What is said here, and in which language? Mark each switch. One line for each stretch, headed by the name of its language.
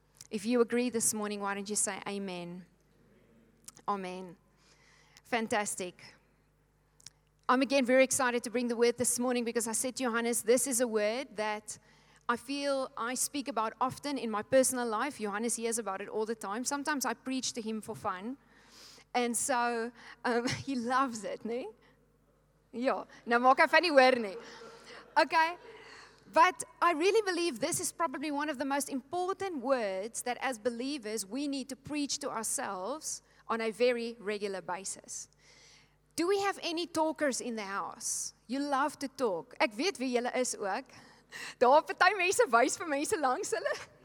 English: If you agree this morning, why don't you say amen? Amen. Fantastic. I'm again very excited to bring the word this morning, because I said to Johannes, this is a word that I feel I speak about often in my personal life. Johannes hears about it all the time. Sometimes I preach to him for fun. And so he loves it, ne?
Afrikaans: Ja, nou maak hy van die hoor nie.
English: Okay. But I really believe this is probably one of the most important words that as believers we need to preach to ourselves on a very regular basis. Do we have any talkers in the house? You love to talk.
Afrikaans: Ek weet wie julle is ook. Daar party mense wys vir mense langs hulle.